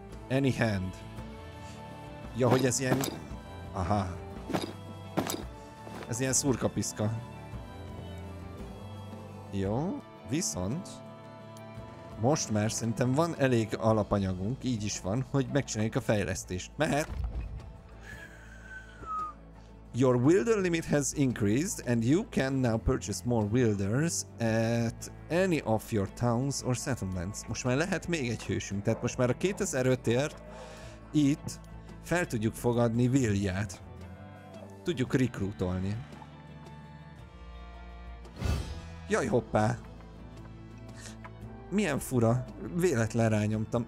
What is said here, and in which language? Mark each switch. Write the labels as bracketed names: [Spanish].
[English] Any hand. [Hungarian] Ja, hogy ez ilyen... Aha. Ez ilyen szurkapiszka. Jó, viszont most már szerintem van elég alapanyagunk, így is van, hogy megcsináljuk a fejlesztést. Mehet! [English] Your wielder limit has increased and you can now purchase more wielders at any of your towns or settlements. [Hungarian] Most már lehet még egy hősünk, tehát most már a 2500-ért itt fel tudjuk fogadni Viljat. Tudjuk rekrútolni. Jaj, hoppá! Milyen fura, véletlen rányomtam.